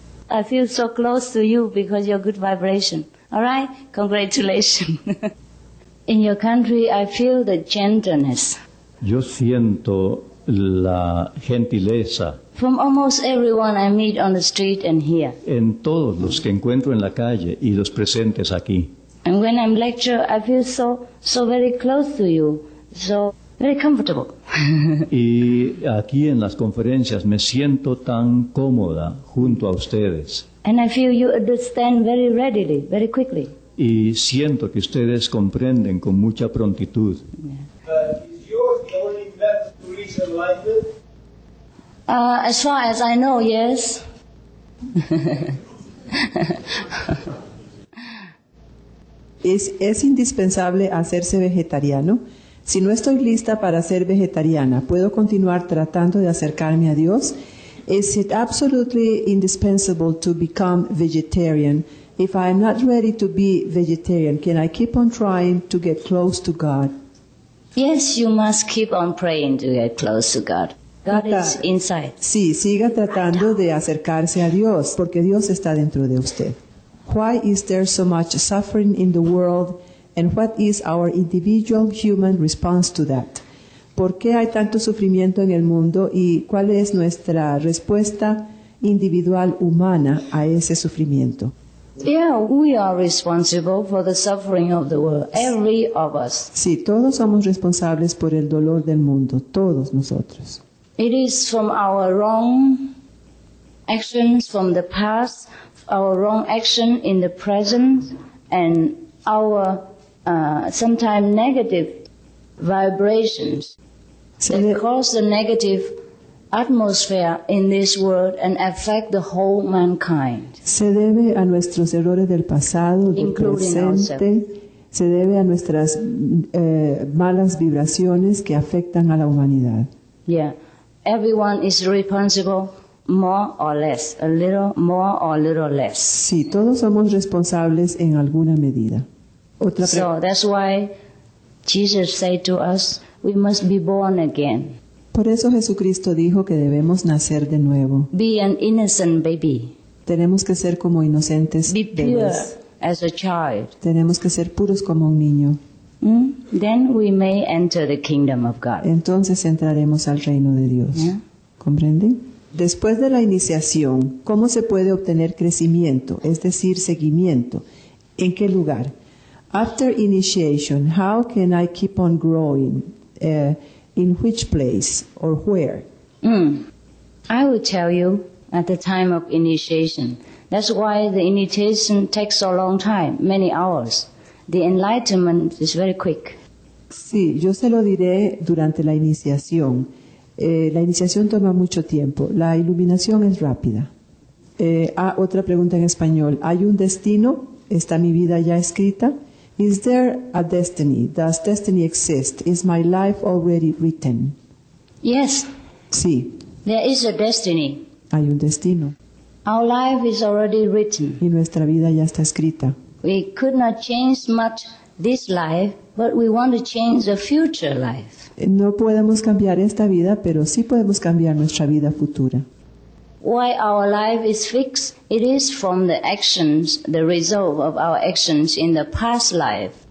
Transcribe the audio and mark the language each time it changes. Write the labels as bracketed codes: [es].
[en] I feel so close to you because you're good vibration. All right? Congratulations. In your country, I feel the gentleness. [es] Yo siento la gentileza. [en] From almost everyone I meet on the street and here. [es] En todos los que encuentro en la calle y los presentes aquí. [en] And when I'm lecture, I feel so very close to you. So very comfortable. [es] Y aquí en las conferencias me siento tan cómoda junto a ustedes. [en] And I feel you understand very readily, very quickly. [es] Y siento que ustedes comprenden con mucha prontitud. [en] Is your only method to reach enlightenment? As far as I know, yes. [es] ¿Es indispensable hacerse vegetariano? Si no estoy lista para ser vegetariana, ¿puedo continuar tratando de acercarme a Dios? [en] Is it absolutely indispensable to become vegetarian? If I am not ready to be vegetarian, can I keep on trying to get close to God? Yes, you must keep on praying to get close to God. God is inside. [es] Sí, siga tratando de acercarse a Dios, porque Dios está dentro de usted. [en] Why is there so much suffering in the world? And what is our individual human response to that? [es] ¿Por qué hay tanto sufrimiento en el mundo y cuál es nuestra respuesta individual humana a ese sufrimiento? [en] Yeah, we are responsible for the suffering of the world. Every of us. [es] Sí, todos somos responsables por el dolor del mundo, todos nosotros. [en] It is from our wrong actions from the past, our wrong action in the present, and our sometimes negative vibrations that cause the negative atmosphere in this world and affect the whole mankind. [es] Se debe a nuestros errores del pasado, del presente, se debe a nuestras malas vibraciones que afectan a la humanidad. [en] Yeah, everyone is responsible, more or less, a little more or a little less. [es] Sí, todos somos responsables en alguna medida. Otra pregunta. [en] So that's why Jesus said to us, we must be born again. [es] Por eso Jesucristo dijo que debemos nacer de nuevo. [en] Be an innocent baby. [es] Tenemos que ser como inocentes. [en] Be pure as a child. [es] Tenemos que ser puros como un niño. Mm? [en] Then we may enter the kingdom of God. [es] Entonces entraremos al reino de Dios. [en] Yeah? [es] ¿Comprenden? Después de la iniciación, ¿cómo se puede obtener crecimiento, es decir, seguimiento? ¿En qué lugar? [en] After initiation, how can I keep on growing? In which place or where? Mm. I will tell you at the time of initiation. That's why the initiation takes a long time, many hours. The enlightenment is very quick. [es] Sí, yo se lo diré durante la iniciación. La iniciación toma mucho tiempo. La iluminación es rápida. Otra pregunta en español. ¿Hay un destino? ¿Está mi vida ya escrita? [en] Is there a destiny? Does destiny exist? Is my life already written? Yes. [es] Sí. [en] There is a destiny. [es] Hay un destino. [en] Our life is already written. [es] Y nuestra vida ya está escrita. [en] We could not change much this life, but we want to change the future life. [es] No podemos cambiar esta vida, pero sí podemos cambiar nuestra vida futura. [en] Why our life is fixed? It is from the actions, the result of our actions in the past life.